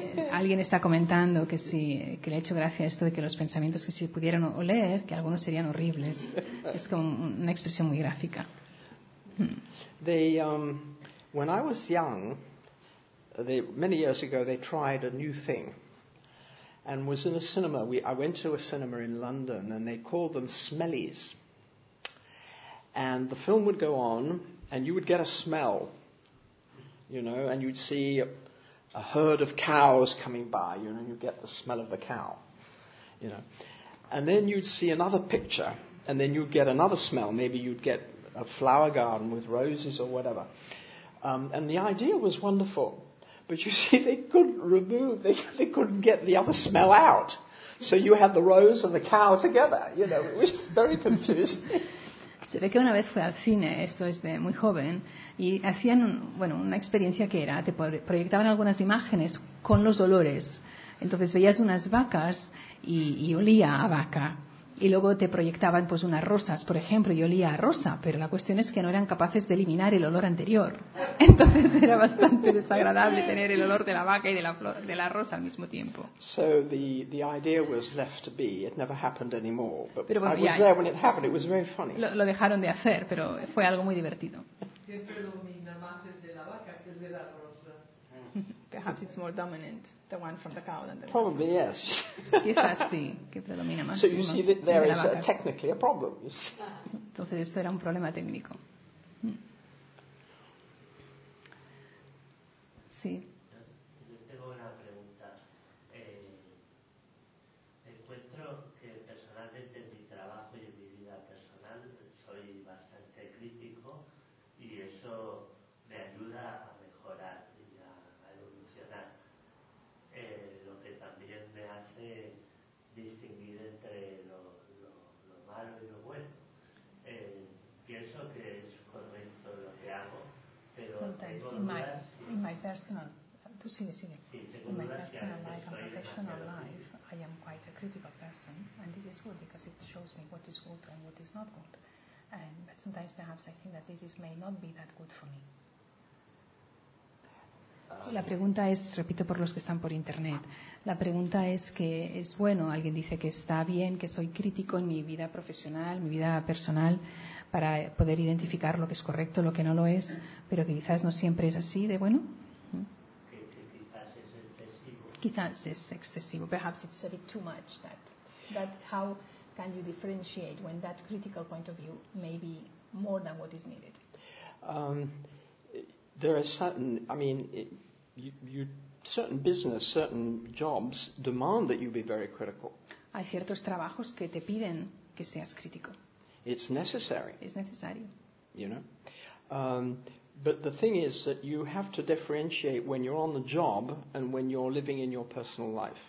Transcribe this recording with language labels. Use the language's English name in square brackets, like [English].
[Spanish] Alguien está comentando que si que le ha hecho gracia esto de que los pensamientos que si pudieran oler, que algunos serían horribles. Es como una expresión muy gráfica. [English] When I was young, many years ago, they tried a new thing, and was in a cinema. I went to a cinema in London, and they called them smellies. And the film would go on, and you would get a smell, you know, and you'd see a herd of cows coming by, you know, and you'd get the smell of the cow, you know, and then you'd see another picture, and then you'd get another smell. Maybe you'd get a flower garden with roses or whatever. And the idea was wonderful. But you see, they couldn't get the other smell out. So you had the rose and the cow together, you know, which is very confusing. [Spanish] Se ve que una vez fue al cine, esto es de muy joven, y hacían bueno, una experiencia que era, te proyectaban algunas imágenes con los olores. Entonces veías unas vacas y olía a vaca. Y luego te proyectaban pues unas rosas, por ejemplo, y olía a rosa, pero la cuestión es que no eran capaces de eliminar el olor anterior. Entonces era bastante desagradable tener el olor de la vaca y de la rosa al mismo tiempo. [English] So the idea was left to be. It never happened anymore. But [Spanish] pero, bueno, [English] I was there when it happened. It was very funny. [Spanish] Lo dejaron de hacer, pero fue algo muy divertido. Siempre domina más el de la vaca que el de la rosa. [English] Perhaps it's more dominant, the one from the cow than the probably one. Yes. [Spanish] Quizás sí, que predomina más. [English] So you see that there is technically a problem. [Spanish] Entonces esto era un problema técnico. Sí. Yo tengo una pregunta. Encuentro que personalmente en mi trabajo y en mi vida personal soy bastante crítico y eso me ayuda a mejorar. Lo que también me hace distinguir entre lo malo y lo bueno. Pienso que es correcto lo que hago, pero [English] sometimes in my [Spanish] si [English] in my personal, [Spanish] tú sigue. Sí, [English] in my personal life and professional life, I am quite a critical person, and this is good because it shows me what is good and what is not good. But sometimes perhaps I think that this is may not be that good for me. [Spanish] La pregunta es, repito por los que están por internet, la pregunta es que es bueno, alguien dice que está bien, que soy crítico en mi vida profesional, mi vida personal, para poder identificar lo que es correcto, lo que no lo es, pero que quizás no siempre es así de bueno. Que quizás es excesivo. Quizás es excesivo. [English] Perhaps it's a bit too much. That how can you differentiate when that critical point of view may be more than what is needed? There are certain, I mean, certain business, certain jobs demand that you be very critical. [Spanish] Hay ciertos trabajos que te piden que seas crítico. [English] It's necessary. [Spanish] Es necesario. [English] You know, but the thing is that you have to differentiate when you're on the job and when you're living in your personal life.